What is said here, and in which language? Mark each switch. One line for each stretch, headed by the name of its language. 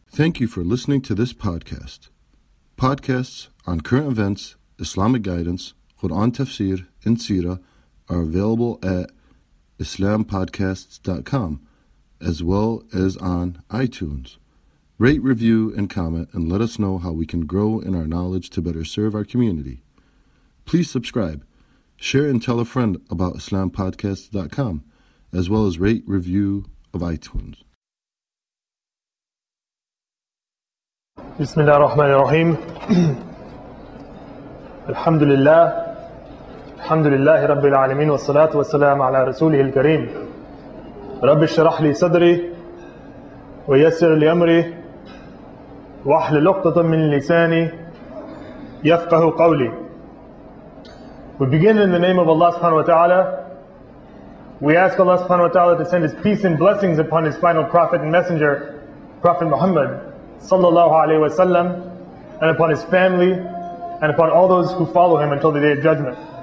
English: Thank you for listening to this podcast. Podcasts on current events, Islamic guidance, Quran tafsir, and seerah are available at islampodcasts.com as well as on iTunes. Rate, review, and comment and let us know how we can grow in our knowledge to better serve our community. Please subscribe, share, and tell a friend about islampodcasts.com as well as rate, review of iTunes.
Arabic: بسم الله الرحمن الرحيم الحمد لله الحمد لله رب العالمين والصلاة والسلام على رسوله الكريم رب اشرح لي صدري ويسر لي أمري واحل لقطة من لساني يفقه قولي.
English: We begin in the name of Allah subhanahu wa ta'ala. We ask Allah subhanahu wa ta'ala to send His peace and blessings upon His final prophet and messenger, Prophet Muhammad sallallahu alayhi wa sallam, and upon his family and upon all those who follow him until the day of judgment.